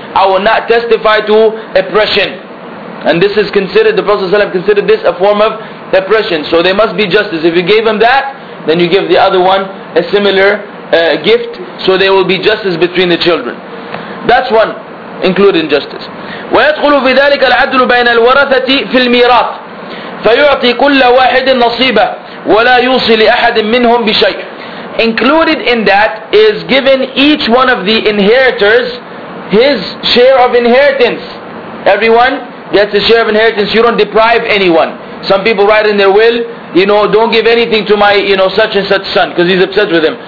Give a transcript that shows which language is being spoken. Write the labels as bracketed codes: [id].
[en] I will not testify to oppression. And this is considered, the Prophet ﷺ considered this a form of oppression. So there must be justice. If you gave him that, then you give the other one a similar gift. So there will be justice between the children. That's one included in justice. [ar] ويدخل في ذلك العدل بين الورثة في الميراث فيعطي كل واحد نصيبة ولا يوصي لأحد منهم بشيء. [en] Included in that is giving each one of the inheritors his share of inheritance. Everyone gets a share of inheritance. You don't deprive anyone. Some people write in their will, you know, don't give anything to my, you know, such and such son because he's upset with him.